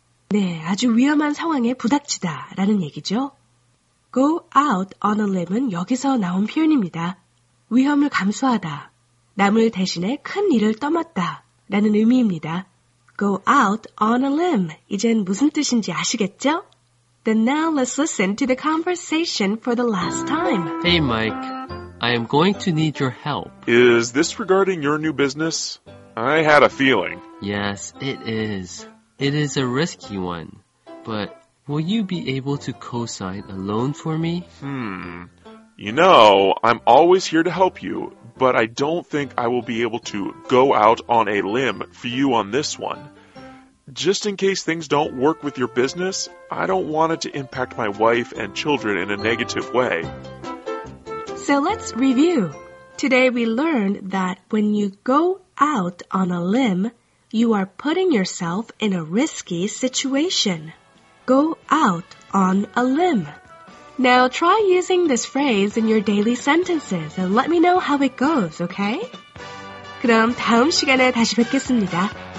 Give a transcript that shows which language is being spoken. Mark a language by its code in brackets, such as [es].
[ko] 네, 아주 위험한 상황에 부닥치다 라는 얘기죠. [en] Go out on a limb은 [ko] 여기서 나온 표현입니다. 위험을 감수하다, 남을 대신해 큰 일을 떠맡다 라는 의미입니다. [en] Go out on a limb. [ko] 이젠 무슨 뜻인지 아시겠죠? [en] Then now let's listen to the conversation for the last time. Hey Mike, I am going to need your help. Is this regarding your new business? I had a feeling. Yes, it is. It is a risky one. But will you be able to co-sign a loan for me? You know, I'm always here to help you, but I don't think I will be able to go out on a limb for you on this one. Just in case things don't work with your business, I don't want it to impact my wife and children in a negative way. So let's review. Today we learned that when you go out on a limb, you are putting yourself in a risky situation. Go out on a limb. Now try using this phrase in your daily sentences and let me know how it goes, okay? [ko] 그럼 다음 시간에 다시 뵙겠습니다.